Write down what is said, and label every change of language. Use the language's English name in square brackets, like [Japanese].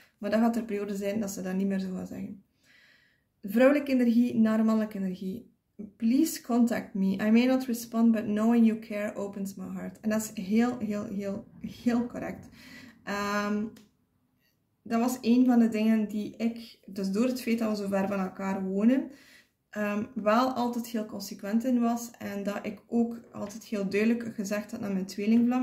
[Dutch] Maar dan gaat er een periode zijn dat ze dat niet meer zo gaan zeggen. Vrouwelijke energie naar mannelijke energie. [English] Please contact me. I may not respond, but knowing you care opens my heart. [Dutch] En dat is heel, heel, heel, heel correct. Dat was een van de dingen die ik, dus door het feit dat we zo ver van elkaar wonen, wel altijd heel consequent in was. En dat ik ook altijd heel duidelijk gezegd had naar mijn tweelingvlam.